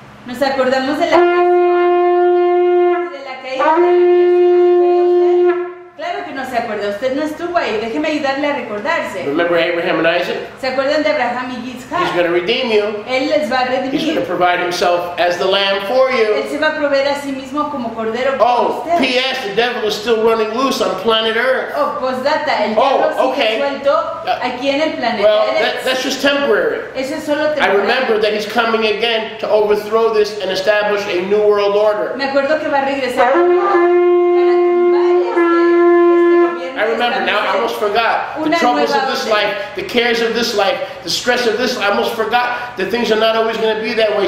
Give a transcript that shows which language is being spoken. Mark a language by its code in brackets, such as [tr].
[es] Nos acordamos de la caída de Dios. Claro que no se acuerda. Usted no estuvo ahí. Déjeme ayudarle a recordarse. [en] Remember Abraham and Isaac? [es] ¿Se acuerdan de Abraham y Isaac? [en] He's going to redeem you. [es] Él les va a redimir. [en] He's going to provide himself as the lamb for you. [es] Él se va a proveer a sí mismo como cordero para usted. [en] Oh, P.S. The devil is still running loose on planet Earth. [es] Oh, postdata. El diablo sigue suelto aquí en el planeta. [en] Well, that's just temporary. [es] Eso es solo temporal. [en] I remember that he's coming again to overthrow this and establish a new world order. [es] Me acuerdo que va a regresar. [en] I remember now, I almost forgot the troubles of this life, the cares of this life, the stress of this life. I almost forgot that things are not always going to be that way.